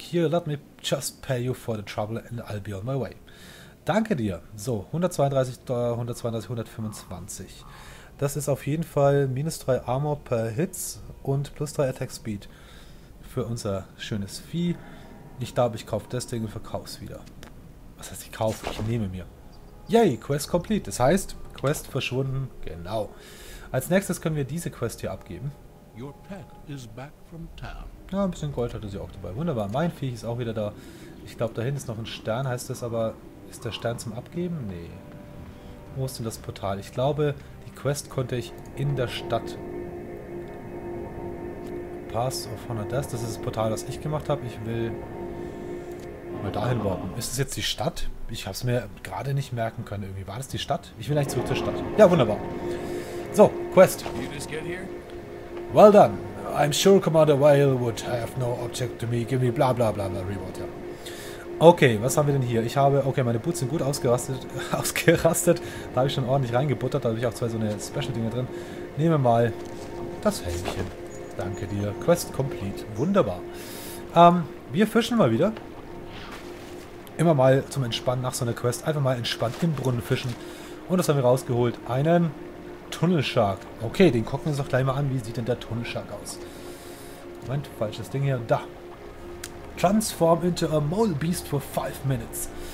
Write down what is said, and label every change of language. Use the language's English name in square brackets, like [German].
[English] Here, let me just pay you for the trouble and I'll be on my way. [German] Danke dir. So, 125. Das ist auf jeden Fall minus 3 Armor per Hits und plus 3 Attack Speed für unser schönes Vieh. Ich glaube, ich kaufe das Ding und verkaufe es wieder. Was heißt, ich kaufe? Ich nehme mir. [English] Yay, Quest complete. [German] Das heißt, Quest verschwunden. Genau. Als nächstes können wir diese Quest hier abgeben. [English] Your pet is back from town. [German] Ja, ein bisschen Gold hatte sie auch dabei. Wunderbar. Mein Vieh ist auch wieder da. Ich glaube, da hinten ist noch ein Stern. Heißt das aber, ist der Stern zum Abgeben? Nee. Wo ist denn das Portal? Ich glaube, die Quest konnte ich in der Stadt. Pass of Honor Death. Das ist das Portal, das ich gemacht habe. Ich will mal dahin warten. Ist es jetzt die Stadt? Ich habe es mir gerade nicht merken können. Irgendwie war das die Stadt? Ich will eigentlich zurück zur Stadt. Ja, wunderbar. So, Quest. [English] Well done. I'm sure Commander Whale would have no object to me. Give me bla bla bla bla reward, ja. [German] Okay, was haben wir denn hier? Ich habe, okay, meine Boots sind gut ausgerastet. Da habe ich schon ordentlich reingebuttert. Da habe ich auch zwei so eine Special-Dinger drin. Nehmen wir mal das Helmchen. Danke dir. [English] Quest complete. [German] Wunderbar. Wir fischen mal wieder. Immer mal zum Entspannen nach so einer Quest. Einfach mal entspannt im Brunnen fischen. Und das haben wir rausgeholt. Einen Tunnelshark. Okay, den gucken wir uns doch gleich mal an. Wie sieht denn der Tunnelshark aus? Moment, falsches Ding hier. Da. [English] Transform into a mole beast for 5 minutes.